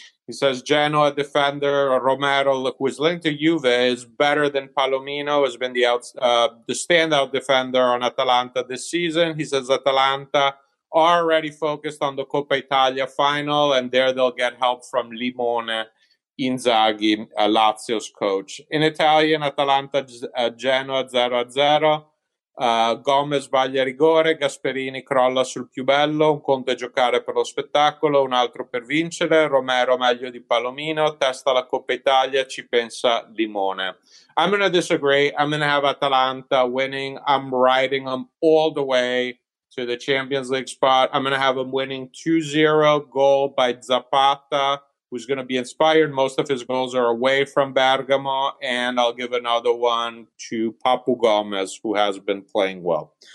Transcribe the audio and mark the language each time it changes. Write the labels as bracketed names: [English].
[English] He says Genoa defender Romero, who is linked to Juve, is better than Palomino, has been the standout defender on Atalanta this season. He says Atalanta are already focused on the Coppa Italia final, and there they'll get help from Limone Inzaghi, Lazio's coach. In Italian, Atalanta Genoa 0-0. [Italian] Gomez sbaglia rigore, Gasperini crolla sul più bello, un conto è giocare per lo spettacolo, un altro per vincere, Romero meglio di Palomino, testa la Coppa Italia, ci pensa Limone. [English] I'm going to disagree, I'm going to have Atalanta winning, I'm riding them all the way to the Champions League spot. I'm going to have them winning 2-0, goal by Zapata, who's going to be inspired. Most of his goals are away from Bergamo. And I'll give another one to Papu Gomez, who has been playing well.